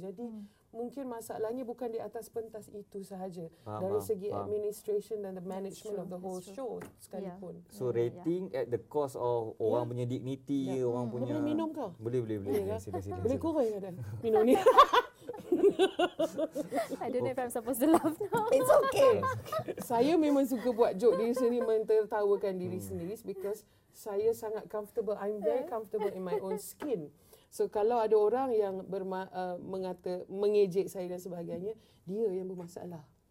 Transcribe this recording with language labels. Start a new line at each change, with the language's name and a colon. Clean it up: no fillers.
Malay: Jadi mungkin masalahnya bukan di atas pentas itu sahaja. Dari segi
English: administration dan the management of the whole show
Malay: sekalipun.
English: Yeah. So rating at the cost of
Malay: orang punya
English: dignity, orang punya.
Malay: Boleh minum kah? Boleh. Sila. Boleh kurang ada minum ni.
English: I don't know if I'm supposed to laugh now.
Malay: It's okay. Saya memang suka buat joke diri sendiri, mentertawakan diri sendiri
English: because
Malay: saya sangat comfortable.
English: I'm very comfortable in my own skin.
Malay: So kalau ada orang yang mengejek saya dan sebagainya, dia yang bermasalah.